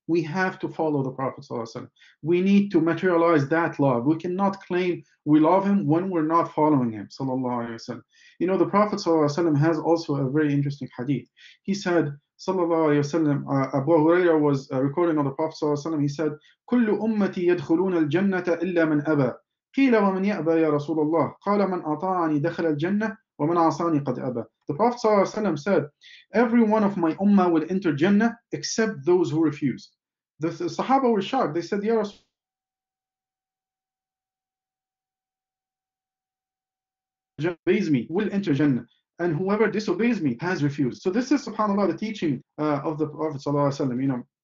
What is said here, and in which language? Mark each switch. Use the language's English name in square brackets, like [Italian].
[English] We have to follow the Prophet Sallallahu Alaihi Wasallam. We need to materialize that love. We cannot claim we love him when we're not following him, Sallallahu Alaihi Wasallam. The Prophet Sallallahu Alaihi Wasallam has also a very interesting hadith. He said, Sallallahu Alaihi Wasallam, Abu Huraira was recording on the Prophet Sallallahu Alaihi Wasallam. He said, [Arabic] كل أمتي يدخلون الجنة إلا من أبى. قيل ومن يأبى يا رسول الله. قال من أطاعني دخل الجنة. وَمَنْ عَصَانِي قَدْ أَبَى. [English] The Prophet ﷺ said, every one of my ummah will enter Jannah except those who refuse. The Sahaba were shocked. They said, Ya Rasul, whoever obeys me will enter Jannah, and whoever disobeys me has refused. So this is, subhanAllah, the teaching of the Prophet ﷺ.